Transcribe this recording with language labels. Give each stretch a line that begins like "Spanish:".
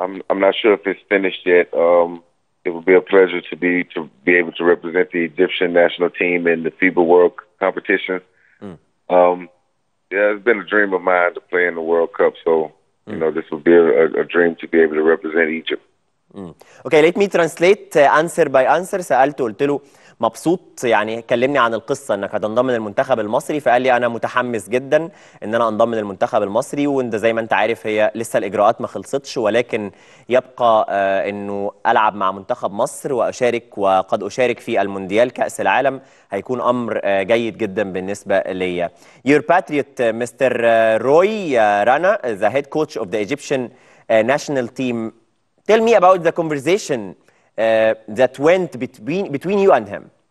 English: I'm not sure if it's finished yet. It would be a pleasure to be able to represent the Egyptian national team in the FIBA World competition. Yeah, it's been a dream of mine to play in the World Cup, so you know this would be a dream to be able to represent Egypt. Okay, let me translate answer by answer.
Arabic: سألته قلت له مبسوط، يعني كلمني عن القصة انك هتنضم للمنتخب المصري، فقال لي انا متحمس جدا ان انا انضم للمنتخب المصري، وان ده زي ما انت عارف هي لسه الاجراءات ما خلصتش، ولكن يبقى انه العب مع منتخب مصر واشارك، وقد اشارك في المونديال كأس العالم، هيكون امر جيد جدا بالنسبة ليا.
English: Your patriot Mr. Roy Rana, the head coach of the Egyptian national team. Tell me about the conversation that went between you and him.